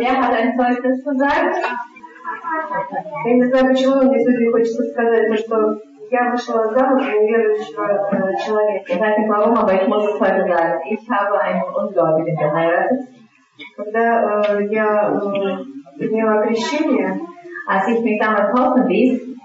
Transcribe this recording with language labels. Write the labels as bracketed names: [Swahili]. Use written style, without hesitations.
[Russian] Я не знаю, почему, но мне судьи хочется сказать, потому что я вышла замуж за неверующего человека. [German] Ich habe einen Ungläubigen geheiratet. [Russian] когда я приняла крещение, [German] as ich mich damals taufen ließ,